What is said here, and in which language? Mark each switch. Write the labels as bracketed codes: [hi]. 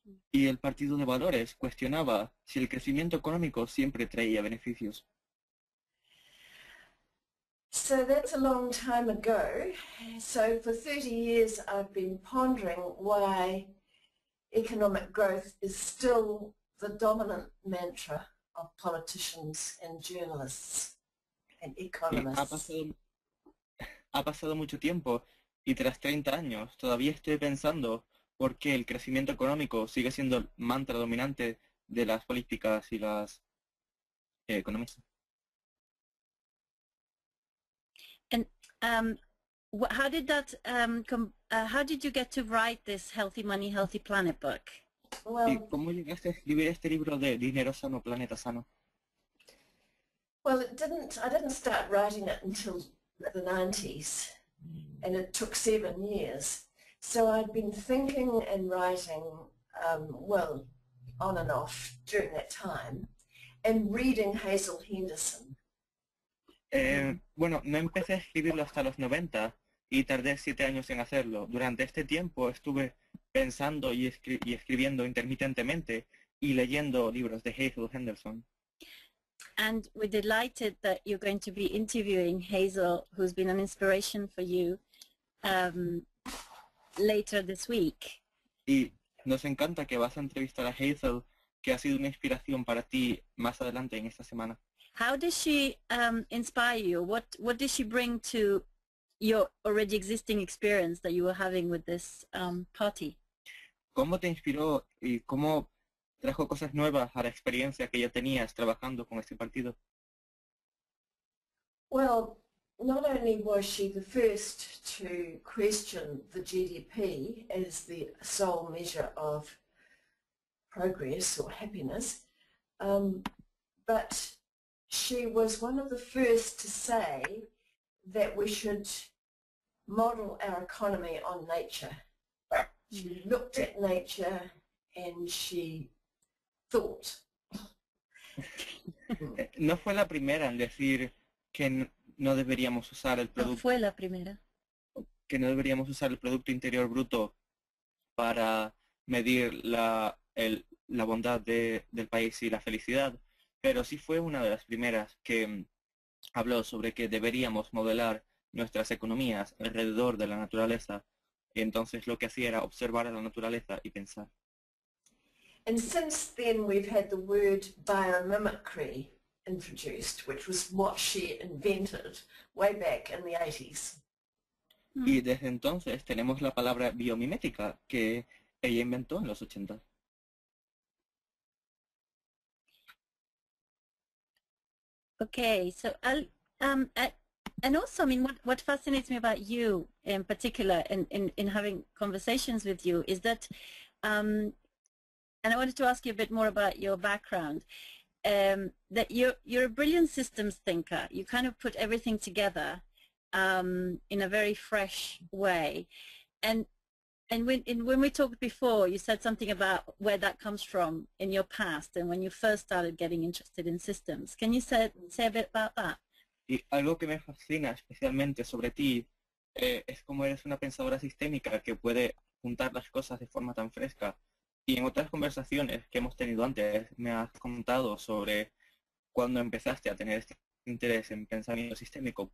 [es] Y el Partido de Valores cuestionaba si el crecimiento económico siempre traía beneficios. [en] So that's a long time ago. So for 30 years I've been pondering why economic growth is still the dominant mantra of politicians and journalists and economists. [es] Ha pasado mucho tiempo, y tras 30 años todavía estoy pensando por qué el crecimiento económico sigue siendo el mantra dominante de las políticas y las economistas. [en] And how did that how did you get to write this Healthy Money, Healthy Planet book? [es] Well, ¿y cómo llegaste a escribir este libro de Dinero Sano, Planeta Sano? [en] Well, I didn't start writing it until the 90s, and it took 7 years. So I'd been thinking and writing, well, on and off during that time, and reading Hazel Henderson. [es] Bueno, no empecé a escribirlo hasta los 90, y tardé 7 años en hacerlo. Durante este tiempo estuve pensando y escribiendo intermitentemente y leyendo libros de Hazel Henderson. [en] And we're delighted that you're going to be interviewing Hazel, who's been an inspiration for you, later this week. [es] Y nos encanta que vas a entrevistar a Hazel, que ha sido una inspiración para ti más adelante en esta semana. [en] How does she inspire you? What does she bring to your already existing experience that you were having with this party? [es] ¿Cómo te inspiró y cómo trajo cosas nuevas a la experiencia que ya tenías trabajando con este partido? [en] Well, not only was she the first to question the GDP as the sole measure of progress or happiness, but she was one of the first to say that we should model our economy on nature. She looked at nature and she thought. [es] No fue la primera en decir que no deberíamos usar el producto. No fue la primera. Que no deberíamos usar el producto interior bruto para medir la bondad del país y la felicidad, pero sí fue una de las primeras que habló sobre que deberíamos modelar nuestras economías alrededor de la naturaleza. Y entonces lo que hacía era observar a la naturaleza y pensar. [en] And since then we've had the word biomimicry introduced, which was what she invented way back in the 80s. [es] Y desde entonces tenemos la palabra biomimética que ella inventó en los 80. [en] Okay, so and also, I mean, what fascinates me about you in particular in having conversations with you is that, and I wanted to ask you a bit more about your background, that you're a brilliant systems thinker. You kind of put everything together in a very fresh way. And when we talked before, you said something about where that comes from in your past and when you first started getting interested in systems. Can you say a bit about that? [es] Y algo que me fascina especialmente sobre ti es cómo eres una pensadora sistémica que puede juntar las cosas de forma tan fresca. Y en otras conversaciones que hemos tenido antes, me has contado sobre cuando empezaste a tener este interés en pensamiento sistémico.